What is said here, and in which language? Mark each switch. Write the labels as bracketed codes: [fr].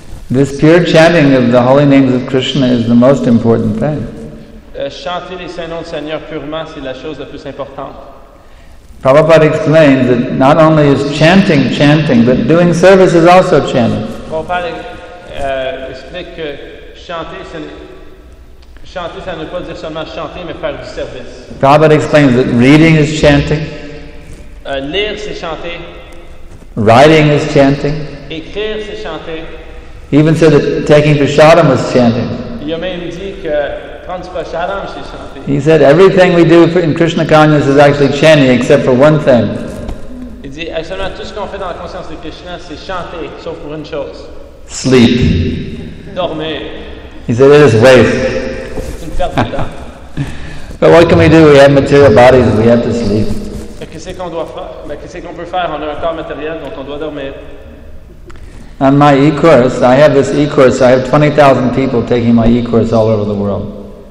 [en] This pure chanting of the holy names of Krishna is the most important thing. [fr] Chanter les saints noms du Seigneur purement, c'est la chose la plus importante. [en] Prabhupada explains that not only is chanting chanting, but doing service is also chanting. [fr] Prabhupada explique que chanter, ça ne veut pas dire seulement chanter, mais faire du service. [en] Prabhupada explains that reading is chanting. [fr] Lire, c'est chanter. [en] Writing is chanting. [fr] Écrire, c'est chanter. [en] He even said that taking prasadam was chanting. [fr] Il a même dit que prendre du prasadam, c'est chanter. [en] He said everything we do in Krishna consciousness is actually chanting, except for one thing. [fr] Il dit actuellement tout ce qu'on fait dans la conscience de Krishna, c'est chanter, sauf pour une chose. [en] Sleep. [fr] Dormir. [en] He said it is waste. [fr] C'est une perte de temps. [en] But what can we do? We have material bodies, we have to sleep. [fr] Qu'est-ce qu'on peut faire? On a un corps matériel dont on doit dormir. [en] On my e-course, I have this e-course. I have 20,000 people taking my e-course all over the world.